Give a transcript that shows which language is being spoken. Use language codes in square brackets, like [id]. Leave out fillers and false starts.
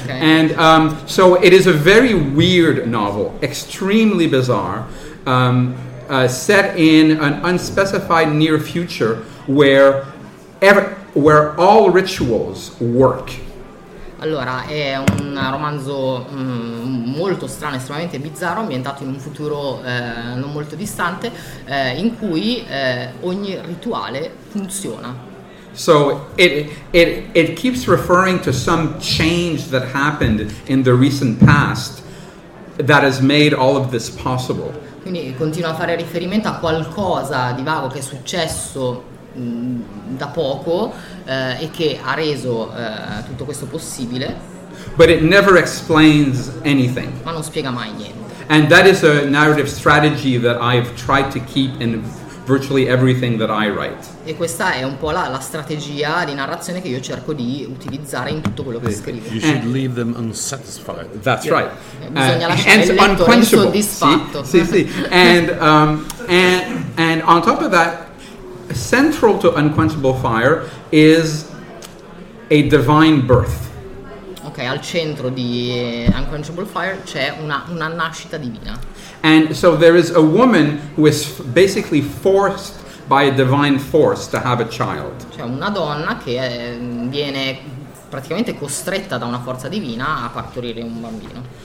[en] And so it is a very weird novel, extremely bizarre, set in an unspecified near future where all rituals work. [it] Allora, è un romanzo molto strano, estremamente bizzarro, ambientato in un futuro non molto distante, in cui ogni rituale funziona. [en] So it keeps referring to some change that happened in the recent past that has made all of this possible. [it] Quindi continua a fare riferimento a qualcosa di vago che è successo da poco e che ha reso tutto questo possibile. [en] But it never explains anything. [it] Ma non spiega mai niente. [en] And that is a narrative strategy that I've tried to keep in virtually everything that I write. [it] E questa è un po' la strategia di narrazione che io cerco di utilizzare in tutto quello che scrivo. [en] You should leave them unsatisfied. That's right. [it] Bisogna lasciare il lettore insoddisfatto. Sì, sì. And [en] And on top of that, central to Unquenchable Fire is a divine birth. [it] Ok, al centro di Unquenchable Fire c'è una nascita divina. [en] And so there is a woman who is basically forced by a divine force to have a child. [it] C'è una donna che viene praticamente costretta da una forza divina a partorire un bambino.